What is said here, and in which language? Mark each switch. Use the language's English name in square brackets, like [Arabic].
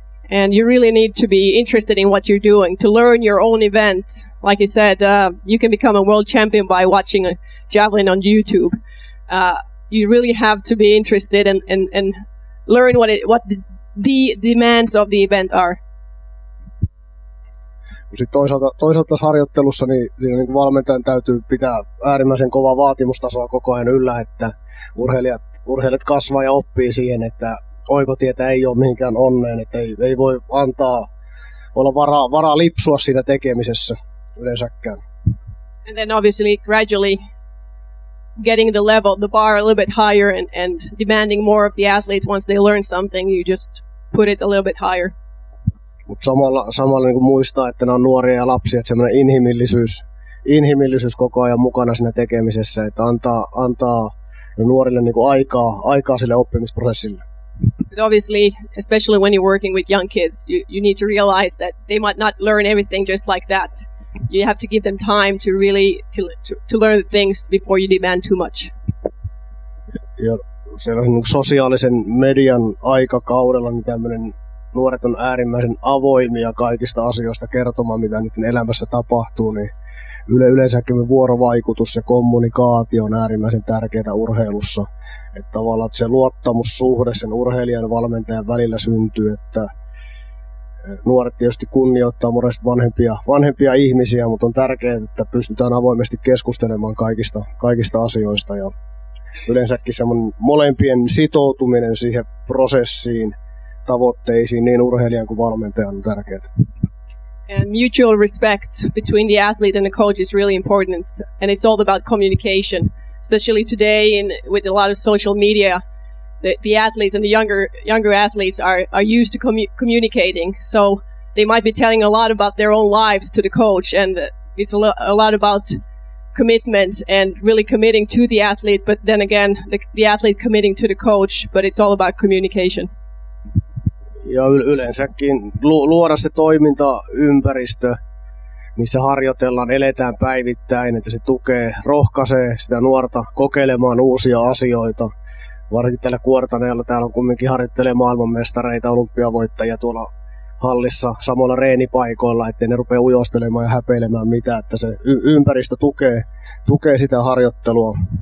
[English] And you really need to be interested in what you're doing, to learn your own event. Like you said, you can become a world champion by watching a javelin on YouTube. You really have to be interested and learn what the demands of the event are. [Finnish] Sitten toisaalta harjoittelussa niin valmentajan täytyy pitää äärimmäisen kovaa vaatimustasoa koko ajan yllä, että urheilijat kasvaa ja oppii siihen, että oikotietä ei ole mihinkään onneen, että ei voi antaa olla varaa lipsua siinä tekemisessä yleensäkään. [English] And then obviously gradually getting the bar a little bit higher and demanding more of the athlete once they learn something, you just put it a little bit higher. [Finnish] Mutta samalla niin kuin muistaa, että nämä on nuoria ja lapsia, että semmoinen inhimillisyys koko ajan mukana siinä tekemisessä, että antaa nuorille niin kuin aikaa sille oppimisprosessille. [English] But obviously, especially when you're working with young kids, you need to realize that they might not learn everything just like that. You have to give them time to really to learn the things before you demand too much. [Finnish] Ja sellaisen sosiaalisen median aikakaudella niin tämmöinen nuoret on äärimmäisen avoimia kaikista asioista kertomaan, mitä niiden elämässä tapahtuu, niin yleensäkin vuorovaikutus ja kommunikaatio on äärimmäisen tärkeää urheilussa. Että tavallaan se luottamussuhde sen urheilijan ja valmentajan välillä syntyy, että nuoret tietysti kunnioittaa monesti vanhempia ihmisiä, mutta on tärkeää, että pystytään avoimesti keskustelemaan kaikista asioista. Ja yleensäkin semmoinen molempien sitoutuminen siihen prosessiin, tavoitteisiin, niin urheilijan kuin valmentajan on tärkeää. [English] And mutual respect between the athlete and the coach is really important, and it's all about communication, especially today with a lot of social media. The athletes and the younger athletes are used to communicating, so they might be telling a lot about their own lives to the coach, and it's a lot about commitment and really committing to the athlete, but then again the athlete committing to the coach, but it's all about communication. [Finnish] Ja yleensäkin luoda se toimintaympäristö, missä harjoitellaan, eletään päivittäin, että se tukee, rohkaisee sitä nuorta kokeilemaan uusia asioita. Varsinkin tällä kuortaneella täällä on kumminkin harjoittelee maailmanmestareita, olympiavoittajia tuolla hallissa samalla reenipaikoilla, ettei ne rupea ujostelemaan ja häpeilemään mitään, että se ympäristö tukee sitä harjoittelua.